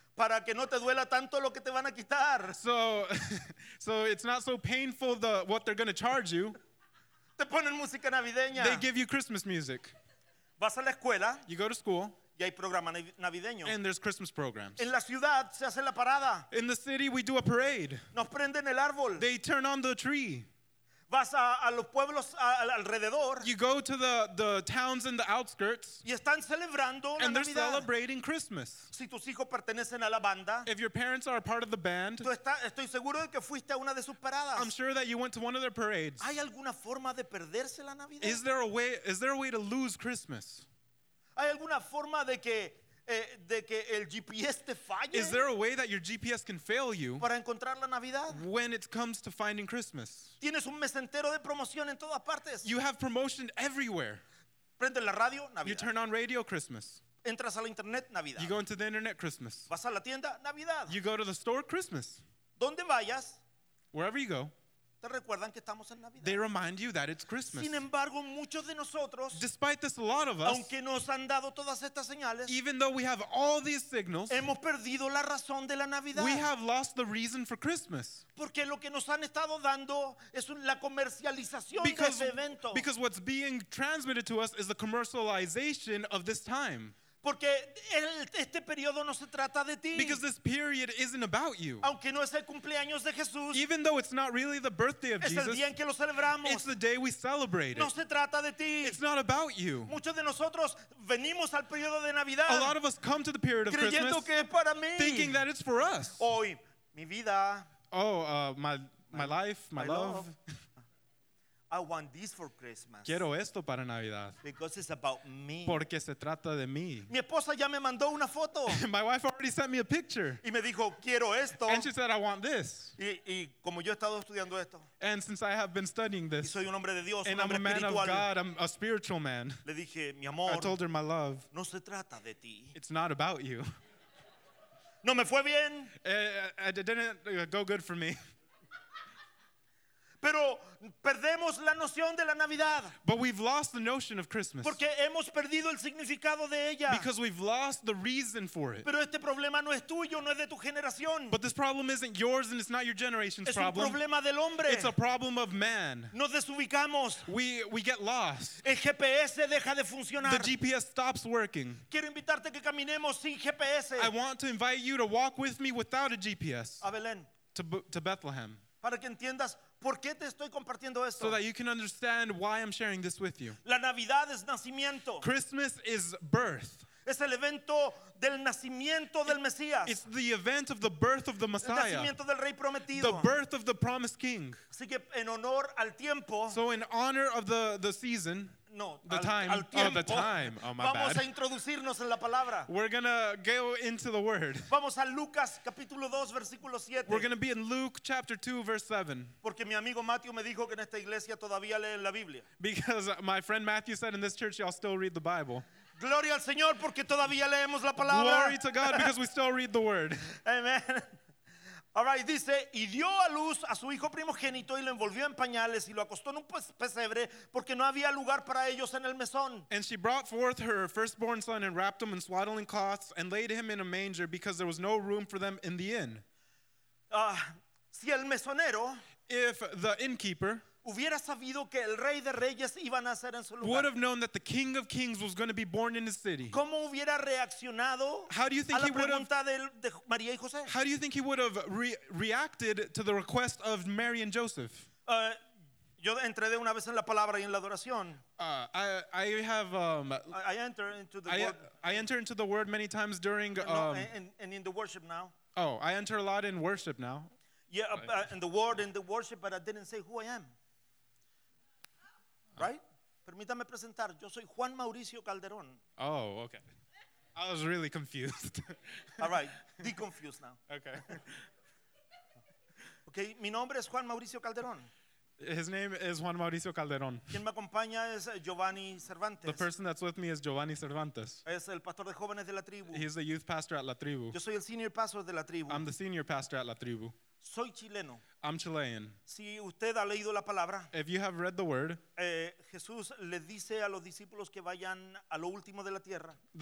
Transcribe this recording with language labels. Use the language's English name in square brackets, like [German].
[Spanish] para que no te duela tanto lo que te van a quitar. [English] So it's not so painful the what they're going to charge you. [Spanish] Te ponen música navideña. [English] They give you Christmas music. [Spanish] Vas a la escuela. [English] You go to school. [Spanish] Y hay programa navideño. [English] And there's Christmas programs. [Spanish] En la ciudad se hace la parada. [English] In the city we do a parade. [Spanish] Nos prenden el árbol. [English] They turn on the tree. [Spanish] Vas a los pueblos alrededor. [English] You go to the towns in the outskirts. [Spanish] Y están celebrando [English] and they're celebrating Christmas. [Spanish] Si tus hijos pertenecen a la banda, [English] if your parents are a part of the band, [Spanish] estoy seguro de que fuiste a una de sus paradas. [English] I'm sure that you went to one of their parades. [Spanish] ¿Hay alguna forma de perderse la Navidad? [English] Is there a way to lose Christmas? [Spanish] ¿Hay alguna forma de que el GPS te falle? [English] Is there a way that your GPS can fail you [Spanish] para encontrar la Navidad? [English] When it comes to finding Christmas? [Spanish] Tienes un mes entero de promoción en todas partes. [English] You have promotion everywhere. [Spanish] Prende la radio, Navidad. [English] You turn on radio, Christmas. [Spanish] Entras a la internet, Navidad. [English] You go into the internet, Christmas. [Spanish] Vas a la tienda, Navidad. [English] You go to the store, Christmas. [Spanish] Donde vayas, [English] wherever you go, [Spanish] te recuerdan que estamos en Navidad. [English] They remind you that it's Christmas. [Spanish] Sin embargo, muchos de nosotros, [English] despite this, a lot of us, [Spanish] aunque nos han dado todas estas señales, [English] even though we have all these signals, [Spanish] hemos perdido la razón de la Navidad. [English] We have lost the reason for Christmas. [Spanish] Porque lo que nos han estado dando es la comercialización [English] because, [Spanish] de ese evento. [English] Because what's being transmitted to us is the commercialization of this time. [Spanish] Porque este periodo no se trata de ti. [English] Because this period isn't about you. [Spanish] Aunque no es el cumpleaños de Jesús. [English] Even though it's not really the birthday of [Spanish] es [English] Jesus. [Spanish] Es el día en que lo celebramos. [English] It's the day we celebrate [Spanish] no No se trata de ti. [English] It's not about you. [Spanish] Muchos de nosotros venimos al periodo de Navidad. [English] A lot of us come to the period of [Spanish] creyendo Creyendo que es para mí. [English] Thinking that it's for us. [Spanish] Hoy, mi vida. [English] Oh, my life, my love. I want this for Christmas. [Spanish] Quiero esto para Navidad. [English] Because it's about me. [Spanish] Porque se trata de mí. Mi esposa ya me mandó una foto. [English] My wife already sent me a picture. [Spanish] Y me dijo, quiero esto. [English] And she said, I want this. [Spanish] Y como yo he estado estudiando esto. [English] And since I have been studying this. [Spanish] Y soy un hombre de Dios, [English] and [Spanish] un hombre [English] I'm a man [Spanish] espiritual, [English] of God, I'm a spiritual man. [Spanish] Le dije, mi amor, [English] I told her my love. [Spanish] No se trata de ti. [English] It's not about you. [Spanish] No me fue bien. [English] It didn't go good for me. [Spanish] Pero perdemos la noción de la Navidad. [English] But we've lost the notion of Christmas. [Spanish] Porque hemos perdido el significado de ella. [English] Because we've lost the reason for it. [Spanish] Pero este problema no es tuyo, no es de tu generación. [English] But this problem isn't yours and it's not your generation's [Spanish] es un [English] problem. [Spanish] Problema del hombre. [English] It's a problem of man. [Spanish] Nos desubicamos. [English] We get lost. [Spanish] El GPS deja de funcionar. [English] The GPS stops working. [Spanish] Quiero invitarte que caminemos sin GPS. [English] I want to invite you to walk with me without a GPS. [Spanish] A Belén. [English] To Bethlehem. [Spanish] Para que entiendas por qué te estoy compartiendo esto. [English] So that you can understand why I'm sharing this with you. [Spanish] La Navidad es nacimiento. [English] Christmas is birth. [Spanish] Es el evento del nacimiento del Mesías. [English] It's the event of the birth of the Messiah. [Spanish] El nacimiento del Rey Prometido. [English] The birth of the promised King. [Spanish] Así que en honor al tiempo. [English] So in honor of the season. [Spanish] No, [English] the time. [Spanish] Al tiempo, [English] oh, the time. Oh, my [Spanish] vamos [English] bad. [Spanish] A introducirnos en la palabra. [English] We're going to go into the word. [Spanish] Vamos a Lucas, capítulo 2, versículo 7. [English] We're going to be in Luke, chapter 2, verse 7. [Spanish] Porque mi amigo Matthew me dijo que en esta iglesia todavía leen la Biblia. [English] Because my friend Matthew said in this church y'all still read the Bible. [Spanish] Gloria al Señor porque todavía leemos la palabra. [English] Glory to God because we still read the word. Amen. All right, [Spanish] dice, y dio a luz a su hijo primogénito y lo envolvió en pañales y lo acostó en un pesebre porque no había lugar para ellos en el mesón. [English] And she brought forth her firstborn son and wrapped him in swaddling cloths and laid him in a manger because there was no room for them in the inn. [Spanish] Si el mesonero, [English] if the innkeeper, [Spanish] hubiera sabido que el rey de reyes iba a nacer en su lugar, [English] would have known that the king of kings was going to be born in his city. [Spanish] ¿Cómo hubiera reaccionado [English] how do you think [Spanish] a la pregunta de María y José? [English] How do you think he would have reacted to the request of Mary and Joseph? [Spanish] Yo entré de una vez en la palabra y en la adoración. [English] I enter into the word many times during and in the worship now. Oh, I enter a lot in worship now. Yeah, in the word in the worship, but I didn't say who I am. Right? [Spanish] Permítame presentar. Yo soy Juan Mauricio Calderón. [English] Oh, okay. I was really confused. All right. Be confused now. Okay. [Spanish] Okay. Mi nombre es Juan Mauricio Calderón. [English] His name is Juan Mauricio Calderón. [Spanish] Quien me acompaña es Giovanni Cervantes. [English] The person that's with me is Giovanni Cervantes. [Spanish] Es el pastor de jóvenes de la tribu. [English] He's the youth pastor at La Tribu. [Spanish] Yo soy el senior pastor de La Tribu. [English] I'm the senior pastor at La Tribu. [Spanish] Soy chileno. [English] I'm Chilean. [Spanish] Si usted ha leído la palabra, [English] if you have read the word, [Spanish] Jesús le dice a los discípulos que vayan a lo último de la tierra.